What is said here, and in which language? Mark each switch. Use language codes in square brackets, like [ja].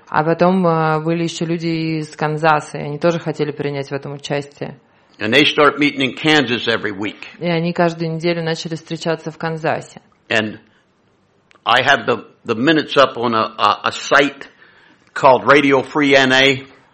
[ru] А потом были еще люди из Канзаса, и они тоже хотели принять в этом участие. [en] And they start meeting in Kansas every week. [ru] И они каждую неделю начали встречаться в Канзасе. [en] And I have the minutes up on a site called Radio Free NA.